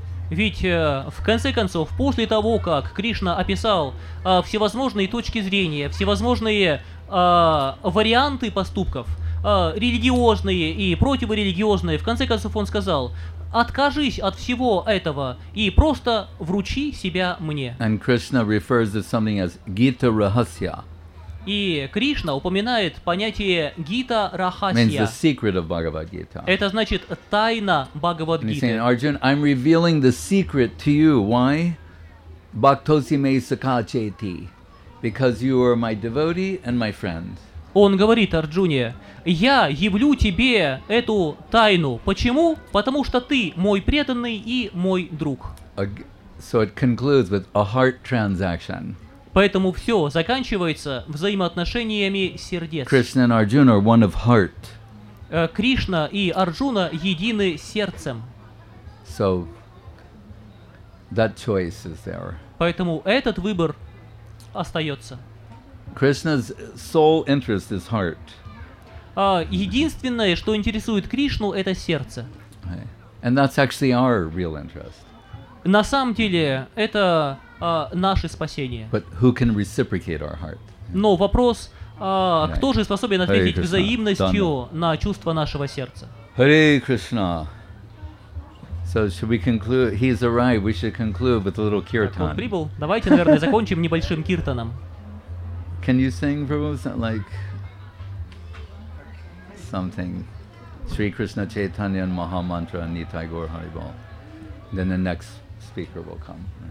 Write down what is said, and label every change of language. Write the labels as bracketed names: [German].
[Russian] Ведь в конце концов, после того, как Кришна описал всевозможные точки зрения, всевозможные варианты поступков, религиозные и противорелигиозные, в конце концов он сказал: «Откажись от всего этого и просто вручи себя мне». [English] And Krishna refers to something as Gita Rahasya. [Russian] И Кришна упоминает понятие Гита Рахасья. [English] Means the secret of Bhagavad Gita. [Russian] Это значит тайна Бхагавад Гиты. [English] He's saying, Arjuna, I'm revealing the secret to you. Why? [Sanskrit] Bhaktosi me sakacheti. [English] Because you are my devotee and my friend. [Russian] Он говорит Арджуне, я явлю тебе эту тайну. Почему? Потому что ты мой преданный и мой друг. [English] So it concludes with a heart transaction. [Russian] Поэтому все заканчивается взаимоотношениями сердец. [English] Krishna and Arjuna are one of heart. [Russian] Кришна и Арджуна едины сердцем. [English] So that choice is there. [Russian] Поэтому этот выбор остается. [English] Krishna's sole interest is heart. [Russian] Единственное, что интересует Кришну, это сердце. [English] And that's actually our real interest. [Russian] На самом деле, это наше спасение. [English] But who can reciprocate our heart? [Russian] Но вопрос, кто же способен ответить взаимностью на чувства нашего сердца? [English] Hare Krishna. So should we conclude? He's arrived. We should conclude with a little kirtan. [Russian] Он прибыл. Давайте, наверное, закончим небольшим киртаном. [English] Can you sing for us like something? Shri Krishna Chaitanya Maha Mantra Nitai Gaur Hari Bol. Then the next speaker will come.